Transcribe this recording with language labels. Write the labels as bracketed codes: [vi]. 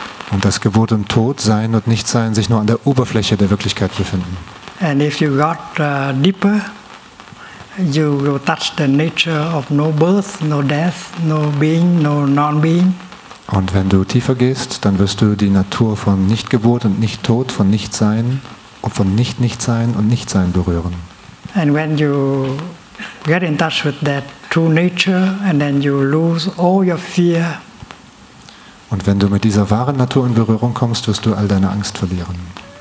[de] Und dass Geburt und Tod, Sein und Nichtsein, sich nur an der Oberfläche der Wirklichkeit befinden. [en] And if you got deeper, you will touch the nature of no birth, no death, no being, no non-being. [de] Und wenn du tiefer gehst, dann wirst du die Natur von Nichtgeburt und Nichttod, von Nichtsein und von Nicht-Nichtsein und Nichtsein berühren. [en] And when you get in touch with that true nature, and then you lose all your fear. [de] Und wenn du mit dieser wahren Natur in Berührung kommst, wirst du all deine Angst verlieren.